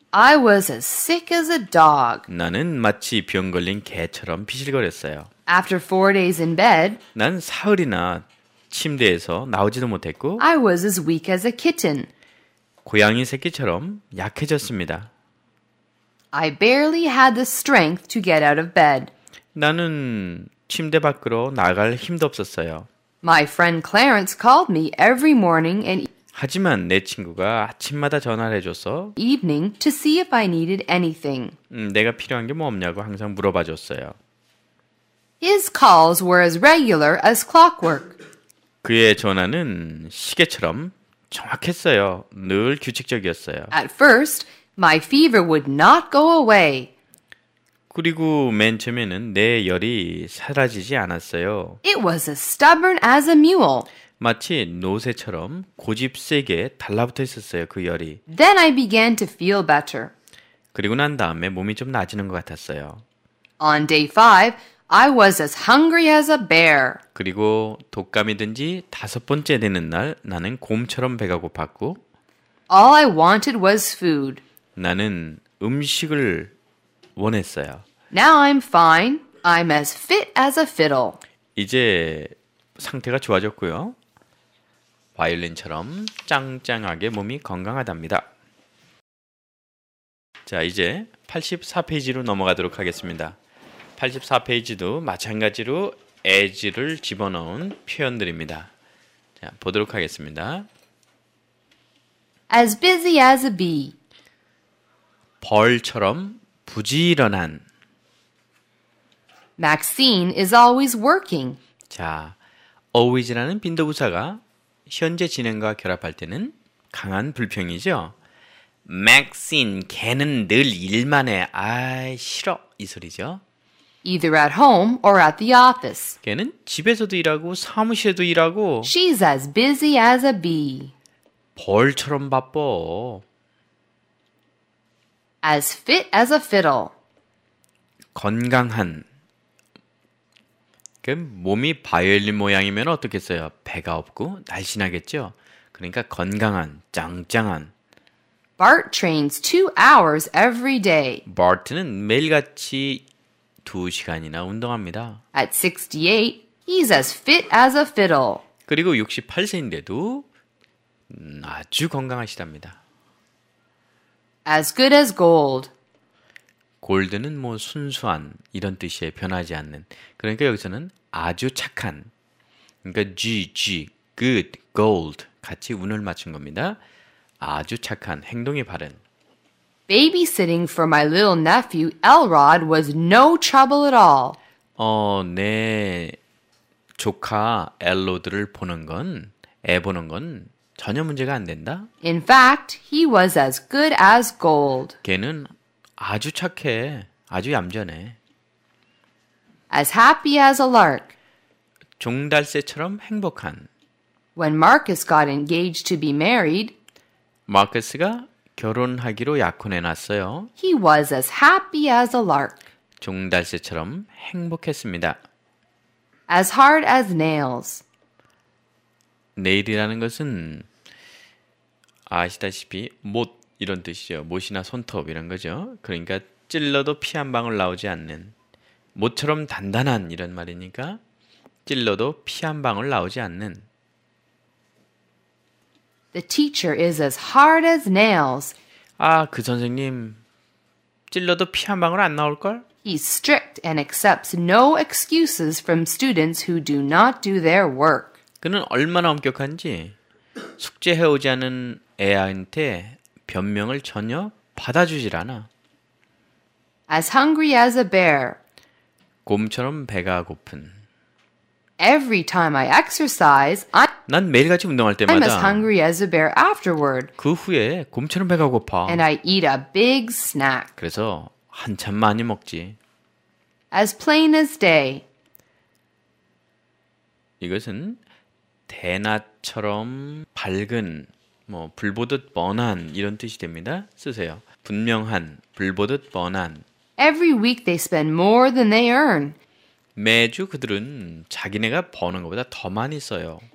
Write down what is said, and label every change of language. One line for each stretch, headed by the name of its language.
English: I was as sick as a dog.
Korean: 나는 마치 병 걸린 개처럼 비실거렸어요.
English: After 4 days in bed.
Korean: 난 사흘이나 침대에서 나오지도 못했고.
English: I was as weak as a kitten.
Korean: 고양이 새끼처럼 약해졌습니다.
English: I barely had the strength to get out of bed.
Korean: 나는 침대 밖으로 나갈 힘도 없었어요.
English: My friend Clarence called me every morning and
Korean: 하지만 내 친구가 아침마다 전화를 해줘서
English: evening to see if I needed anything.
Korean: 내가 필요한 게 뭐 없냐고 항상 물어봐줬어요.
English: His calls were as regular as clockwork.
Korean: 그의 전화는 시계처럼 정확했어요. 늘 규칙적이었어요.
English: At first, my fever would not go away.
Korean: 그리고 맨 처음에는 내 열이 사라지지 않았어요.
English: It was as stubborn as a mule.
Korean: 마치 노새처럼 고집 세게 달라붙어 있었어요, 그 열이.
English: Then I began to feel better.
Korean: 그리고 난 다음에 몸이 좀 나아지는 것 같았어요.
English: On day 5, I was as hungry as a bear.
Korean: 그리고 독감이 든 지 다섯 번째 되는 날 나는 곰처럼 배가 고팠고
English: All I wanted was food.
Korean: 나는 음식을 원했어요.
English: Now I'm fine. I'm as fit as a fiddle.
Korean: 이제 상태가 좋아졌고요. 바이올린처럼 짱짱하게 몸이 건강하답니다. 자, 이제 84페이지로 넘어가도록 하겠습니다. 84페이지도 마찬가지로 as를 집어넣은 표현들입니다. 자, 보도록 하겠습니다.
English: As busy as a bee.
Korean: 벌처럼 부지런한.
English: Maxine is always working.
Korean: 자, always라는 빈도부사가 현재 진행과 결합할 때는 강한 불평이죠. Maxine, 걔는 늘 일만 해. 아, 싫어. 이 소리죠.
English: Either at home or at the office.
Korean: 걔는 집에서도 일하고 사무실에도 일하고
English: She's as busy as a bee.
Korean: 벌처럼 바빠.
English: As fit as a fiddle.
Korean: 건강한. 그 몸이 바이올린 모양이면 어떻겠어요? 배가 없고 날씬하겠죠? 그러니까 건강한, 짱짱한.
English: Bart trains 2 hours every day.
Korean: Bart는 매일같이 2시간이나 운동합니다.
English: At 68, he's as fit as a fiddle.
Korean: 그리고 68세인데도 아주 건강하시답니다.
English: As good as gold.
Korean: 골드는 뭐 순수한 이런 뜻이에요. 변하지 않는. 그러니까 여기서는 아주 착한. 그러니까 G, G, good, gold 같이 운을 맞춘 겁니다. 아주 착한, 행동이 바른.
English: Babysitting for my little nephew Elrod was no trouble at all.
Korean: 내 조카 엘로드를 보는 건, 애 보는 건 전혀 문제가 안 된다.
English: In fact, he was as good as gold.
Korean: 걔는 아주 착해, 아주 얌전해.
English: As happy as a lark.
Korean: 종달새처럼 행복한.
English: When Marcus got engaged to be married.
Korean: 마커스가 결혼하기로 약혼해 놨어요.
English: He was as happy as a lark.
Korean: 종달새처럼 행복했습니다.
English: As hard as nails.
Korean: 네일이라는 것은 아시다시피 못 이런 뜻이죠. 못이나 손톱 이런 거죠. 그러니까 찔러도 피 한 방울 나오지 않는. 못처럼 단단한 이런 말이니까 찔러도 피 한 방울 나오지 않는.
English: The teacher is as hard as nails.
Korean: 아, 그 선생님 찔러도 피 한 방울 안 나올걸?
English: He's strict and accepts no excuses from students who do not do their work.
Korean: 그는 얼마나 엄격한지 숙제해 오지 않은 애한테 변명을 전혀 받아주질 않아.
English: As hungry as a bear.
Korean: 곰처럼 배가 고픈.
English: Every time I exercise,
Korean: 난 매일같이 운동할 때마다
English: I'm as hungry as a bear afterward.
Korean: 그 후에 곰처럼 배가 고파.
English: And I eat a big snack.
Korean: 그래서 한참 많이 먹지.
English: as plain as day.
Korean: 이것은 대낮처럼 밝은, 뭐 불보듯 뻔한 이런 뜻이 됩니다. 쓰세요. 분명한, 불보듯 뻔한.
English: Every week they spend more than they earn.
Korean: 매주 그들은 자기네가 버는 것보다 더 많이 써요.